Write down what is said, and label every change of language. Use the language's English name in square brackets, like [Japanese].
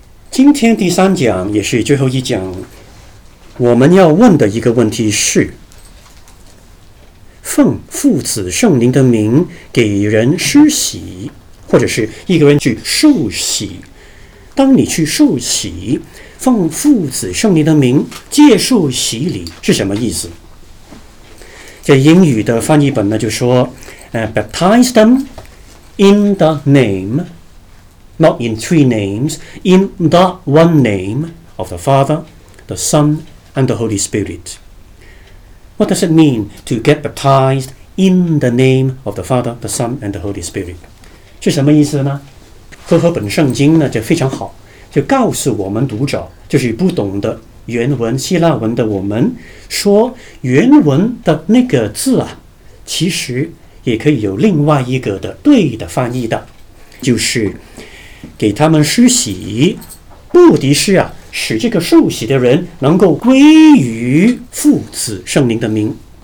[Chinese] 今天第三讲也是最后一讲，我们要问的一个问题是，奉父子圣灵的名给人施洗，或者是一个人去受洗，当你去受洗，奉父子圣灵的名接受洗礼是什么意思？这英语的翻译本呢就说 [English] baptize them in the name, not in three names, in the one name of the Father, the Son, and the Holy Spirit. What does it mean to get baptized in the name of the Father, the Son, and the Holy Spirit? [Chinese] 是什么意思呢？和合本圣经呢就非常好，就告诉我们读者，就是不懂的原文希腊文的我们，说原文的那个字啊，其实也可以有另外一个的对的翻译的，就是给他们施洗，目的是啊，使这个受洗的人能够归于父子圣灵的名。